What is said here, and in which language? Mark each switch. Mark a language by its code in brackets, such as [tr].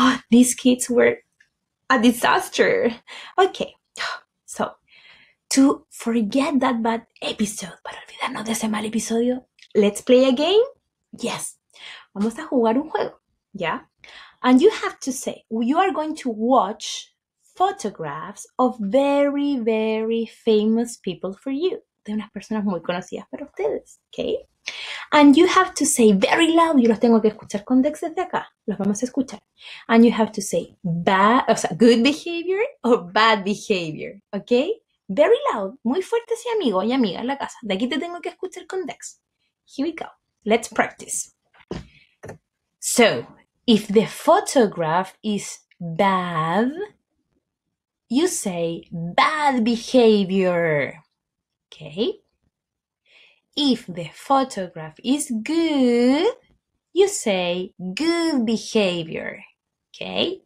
[en] These kids were a disaster. Okay, so to forget that bad episode, [es] para olvidarnos de ese mal episodio, [en] let's play a game. [es] Yes, vamos a jugar un juego. [en] Yeah, and you have to say, you are going to watch photographs of very, very famous people for you. [es] De unas personas muy conocidas para ustedes, okay? [en] And you have to say very loud, [es] yo los tengo que escuchar con Dex desde acá, los vamos a escuchar. [en] And you have to say bad, o sea, good behavior or bad behavior, okay? Very loud, [es] muy fuerte, sí, amigo y amiga en la casa. De aquí te tengo que escuchar con Dex. [en] Here we go, let's practice. So, if the photograph is bad, you say bad behavior, okay? If the photograph is good, you say good behavior, okay?